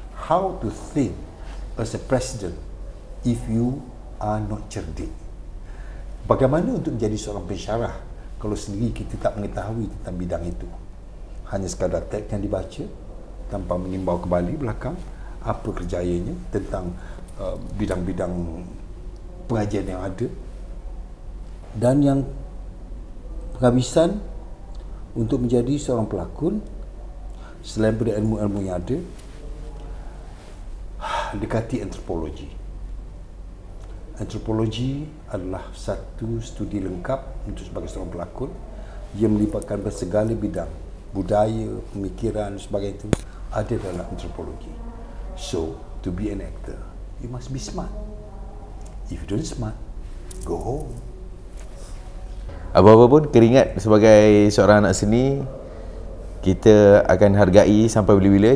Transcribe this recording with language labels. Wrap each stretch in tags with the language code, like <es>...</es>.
<en>How to think as a president if you are not</en> <ms>cerdik? Bagaimana untuk menjadi seorang pensyarah kalau sendiri kita tak mengetahui tentang bidang itu? Hanya sekadar teks yang dibaca tanpa mengimbau kembali belakang apa kerjayanya tentang bidang-bidang pengajian yang ada. Dan yang penghabisan untuk menjadi seorang pelakon, selain daripada ilmu-ilmu yang ada, dekati antropologi. Antropologi adalah satu studi lengkap untuk sebagai seorang pelakon. Ia melibatkan segala bidang budaya, pemikiran sebagainya itu ada dalam antropologi.</ms> <en>So, to be an actor, you must be smart. If you don't smart, go home.</en> <ms>Apa-apa pun, keringat sebagai seorang anak seni, kita akan hargai sampai bila-bila.</ms>